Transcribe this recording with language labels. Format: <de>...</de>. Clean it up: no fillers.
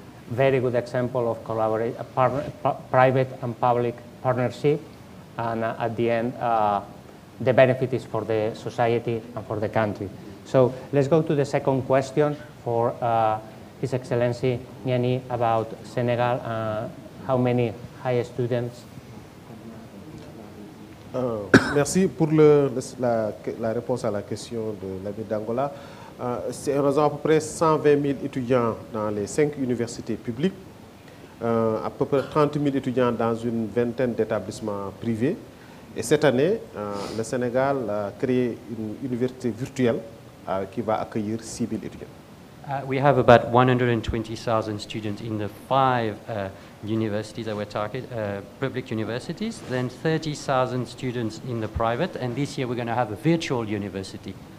<en>Very good example of private and public partnership. And at the end, the benefit is for the society and for the country. So let's go to the second question for His Excellency Nyeni about Senegal. How many high students?</en> <fr>Merci pour la réponse à la question de la ville d'Angola. C'est à peu près 120 000 étudiants dans les 5 universités publiques, à peu près 30 000 étudiants dans une vingtaine d'établissements privés Et cette année, le Sénégal a créé une université virtuelle qui va accueillir 6000 étudiants.</fr> <en>We have about 120,000 students in the five universities that we're targeting, public universities, then 30,000 students in the private, and this year we're going to have a virtual university.</en>